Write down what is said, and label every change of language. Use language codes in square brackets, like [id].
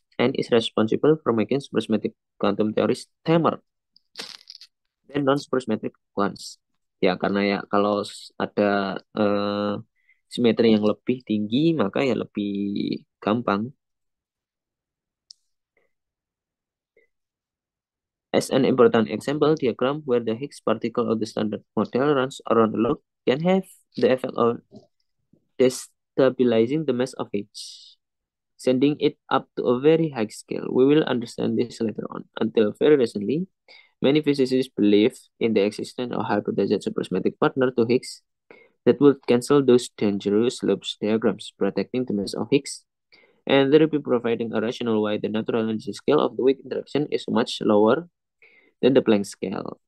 [en] And is responsible for making supersymmetric quantum theories tamer. Then non-spurious metric ones. [id] Ya, karena ya kalau ada simetri yang lebih tinggi, maka ya lebih gampang. [en] As an important example, diagram where the Higgs particle of the standard model runs around a loop can have the effect of destabilizing the mass of Higgs, sending it up to a very high scale. We will understand this later on. Until very recently, many physicists believe in the existence of hybridized supersymmetric partner to Higgs that would cancel those dangerous loops diagrams, protecting the mass of Higgs, and therefore providing a rationale why the natural energy scale of the weak interaction is much lower than the Planck scale.